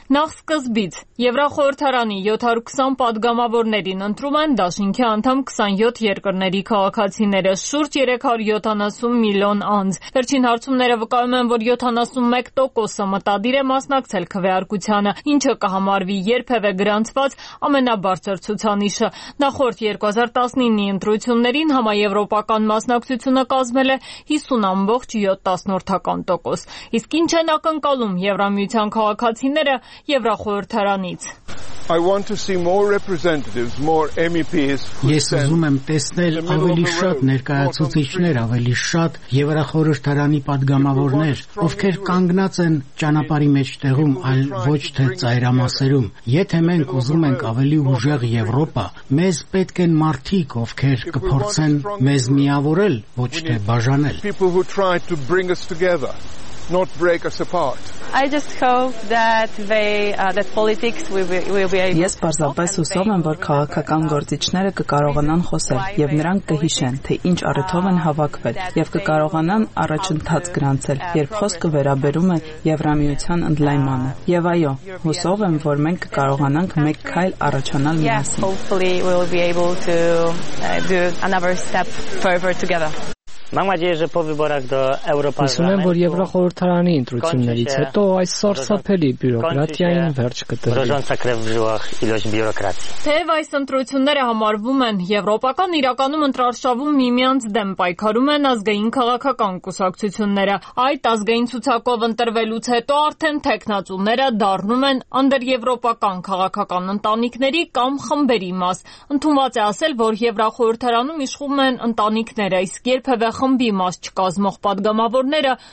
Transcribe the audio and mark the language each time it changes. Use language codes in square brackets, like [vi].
[hy] Նախ սկզբից Եվրախորհրդարանի 720 պատգամավորներին ընտրում են Դաշինքի անդամ 27 երկրների քաղաքացիները, շուրջ 370 միլիոն անձ։ Վերջին հարցումները վկայում են, որ 71%-ը մտադիր է մասնակցել քվեարկությանը, ինչը կհամարվի երբևէ գրանցված ամենաբարձր ցուցանիշը։ Նախորդ 2019-ի ընտրություններին համաեվրոպական մասնակցությունը կազմել է 50.7%։ Իսկ ինչ են ակնկալում Եվրամիության քաղաքացիները Եվրախորհրդարանից։ [en] I want to see more representatives, more MEPs. [hy] Ես ուզում եմ տեսնել ավելի շատ ներկայացուցիչներ, ավելի շատ Եվրախորհրդարանի պատգամավորներ, ովքեր կանգնած են ճանապարհի մեջտեղում, այլ ոչ թե ծայրամասերում։ Եթե մենք ուզում ենք ավելի ուժեղ Եվրոպա, մեզ պետք են մարդիկ, ովքեր կփորձեն մեզ միավորել, ոչ թե բաժանել։ [en] Not break us apart. I just hope that that politics will be able to. [hy] Ես պարզապես հուսով եմ, որ քաղաքական գործիչները կկարողանան խոսել, եւ նրանք կհիշեն, թե ինչ առիթով են հավաքվել, եւ կկարողանան առաջընթաց գրանցել, երբ խոսքը վերաբերում է Եվրամիության ընդլայմանը։ Եվ այո, հուսով եմ, որ մենք կկարողանանք մեկ քայլ առաջանալ միասին։ [en] Hopefully we will be able to do another step further together. [hy] Հուսում եմ, որ Եվրոխորհրդարանի ընտրություններից հետո այս սարսափելի բյուրոկրատիային վերջ կտրվի։ Թեև այս ընտրությունները համարվում են եվրոպական իրականում ընտրարշավում միմյանց դեմ պայքարում են ազգային քաղաքական կուսակցությունները, այդ ազգային ցուցակով ընտրվելուց հետո արդեն թեկնածուները դառնում են անդրեվրոպական քաղաքական ընտանիքների կամ խմբերի մաս։ Ընդունված է ասել, որ Եվրոխորհրդարանում իշխում են ընտանիքները, իսկ երբևէ խմբի մաս չկազմող պատգամավորները